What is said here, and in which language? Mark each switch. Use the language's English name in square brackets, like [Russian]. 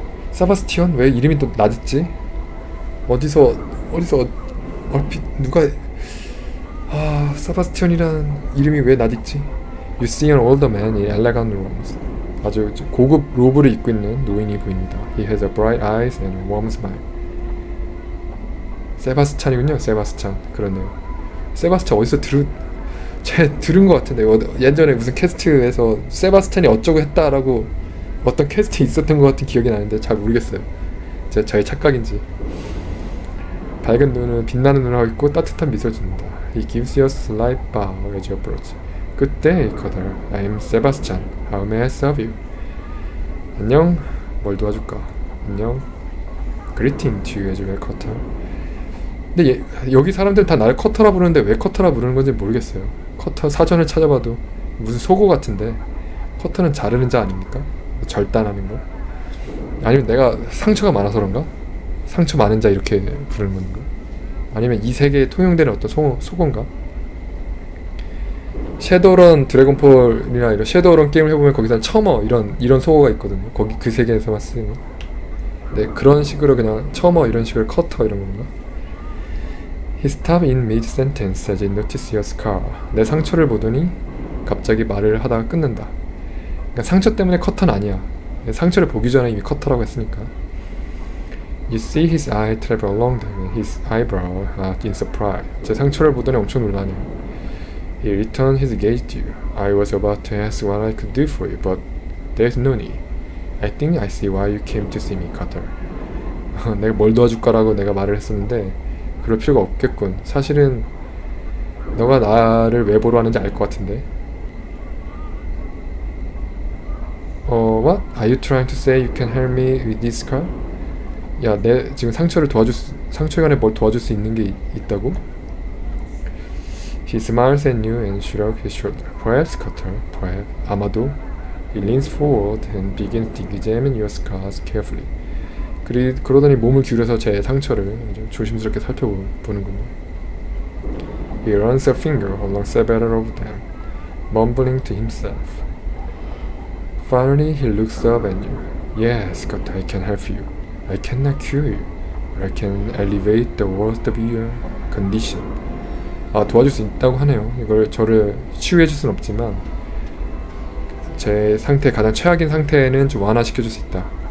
[Korean] 사바스티온? 왜 이름이 또 낮았지? 어디서 얼핏 누가, 아, 사바스티온이라는 이름이 왜 낮았지? [English] You see an older man in elegant robes. [Korean] 아주 고급 로브를 입고 있는 노인이 보입니다. [English] He has a bright eyes and a warm smile. [Korean] 세바스찬이군요. 세바스찬. 그러네요. 세바스찬 어디서 들은 것 같은데, 예전에 무슨 캐스트에서 세바스찬이 어쩌고 했다라고 어떤 캐스트 있었던 것 같은 기억이 나는데 잘 모르겠어요. 저의 착각인지. 밝은 눈은 빛나는 눈을 하고 있고 따뜻한 미소를 줍니다. [English] He gives you a slight bow as you approach. Good day, Cutter. I'm Sebastian. How may I serve you? [Korean] 안녕. 뭘 도와줄까? 안녕. [English] Greeting to you as well, Cutter. [Korean] 근데 여기 사람들은 다 나를 커터라 부르는데 왜 커터라 부르는 건지 모르겠어요. 커터 사전을 찾아봐도 무슨 속옷 같은데. 커터는 자르는 자 아닙니까? 절단하는 거? 아니면 내가 상처가 많아서 그런가? 상처 많은 자 이렇게 부르는 건가? 아니면 이 세계에 통용되는 어떤 속옷인가? 섀도우런 드래곤폴이나 이런 섀도우런 게임을 해보면 거기서 처머 이런 속옷이 있거든요. 거기 그 세계에서만 쓰는. 네, 그런 식으로 그냥 처머 이런 식으로 커터 이런 건가? [English] He stopped in mid-sentence as he noticed your scar. [Korean] 내 상처를 보더니 갑자기 말을 하다가 끊는다. 그러니까 상처 때문에 커터는 아니야. 상처를 보기 전에 이미 커터라고 했으니까. [English] You see his eye travel along them. His eyebrow in surprise. [Korean] 제 상처를 보더니 엄청 놀라네요. [English] He returned his gaze to you. I was about to ask what I could do for you, but there's no need. I think I see why you came to see me, Cutter. [Korean] 내가 뭘 도와줄까라고 내가 말을 했었는데 그럴 필요가 없겠군. 사실은 너가 나를 왜 보러 왔는지 알 것 같은데. [English] What? Are you trying to say you can help me with this scar? [Korean] 야, 내 지금 상처에 관해 뭘 도와줄 수 있는 게 있다고? [English] He smiles at you and shrugs his shoulder. Perhaps, Cutter, perhaps. [Korean] 아마도. [English] He leans forward and begins to examine your scars carefully. [Korean] 그러더니 몸을 기울여서 제 상처를 조심스럽게 살펴보는군요. [English] He runs a finger along several of them, mumbling to himself. Finally, he looks up at you. Yes, God, I can help you. I cannot cure you, but I can alleviate the worst of your condition. [Korean] 아, 도와줄 수 있다고 하네요. 이걸 저를 치유해줄 순 없지만 제 상태, 가장 최악인 상태는 좀 완화시켜줄 수 있다.